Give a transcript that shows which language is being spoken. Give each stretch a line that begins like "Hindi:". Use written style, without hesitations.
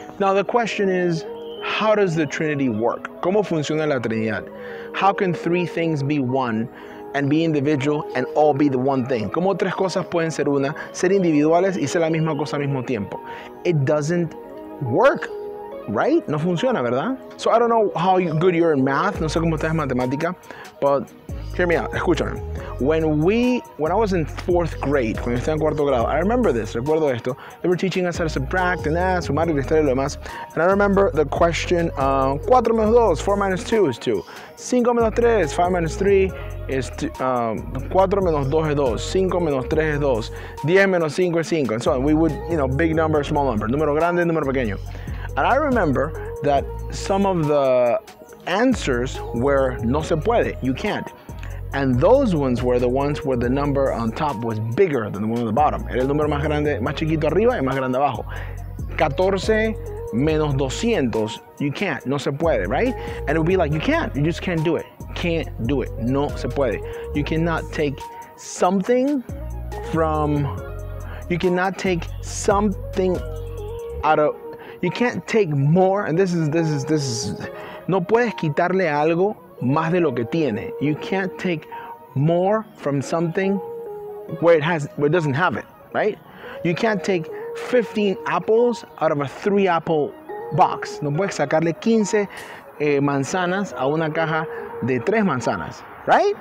English: Now the question is, how does the Trinity work?
Spanish: ¿Cómo funciona la Trinidad?
English: How can three things be one and be individual and all be the one thing?
Spanish: ¿Cómo tres cosas pueden ser una, ser individuales y ser la misma cosa al mismo tiempo?
English: It doesn't work, right?
Spanish: No funciona, ¿verdad?
English: So I don't know how good you're in math.
Spanish: No sé cómo estás en matemática,
English: but hear me out.
Spanish: Escúchame.
English: When I was in fourth grade,
Spanish: cuando estaba en cuarto grado,
English: I remember this,
Spanish: recuerdo esto.
English: They were teaching us how to subtract and add,
Spanish: sumar y restar y lo demás.
English: And I remember the question,
Spanish: 4 menos 2,
English: 4 minus 2 is 2.
Spanish: 5 menos 3,
English: 5 minus 3 is
Spanish: 4 menos 2 es 2. 5 menos 3 es 2. 10 menos 5 es 5.
English: And so on. We would, you know, big number, small number.
Spanish: Número grande, número pequeño.
English: And I remember that some of the answers were
Spanish: no se puede,
English: you can't. And those ones were the ones where the number on top was bigger than the one on the bottom.
Spanish: Era el número más grande, más chiquito arriba y más grande abajo. 14 menos 200,
English: you can't,
Spanish: no se puede,
English: right? And it would be like, you can't, you just can't do it. Can't do it,
Spanish: no se puede.
English: You cannot take something from, you cannot take something out of, you can't take more, and this is,
Spanish: no puedes quitarle algo más de lo que tiene.
English: You can't take more from something where it doesn't have it, right? You can't take 15 apples out of a 3-apple box.
Spanish: No puedes sacarle 15 manzanas a una caja de 3 manzanas,
English: right?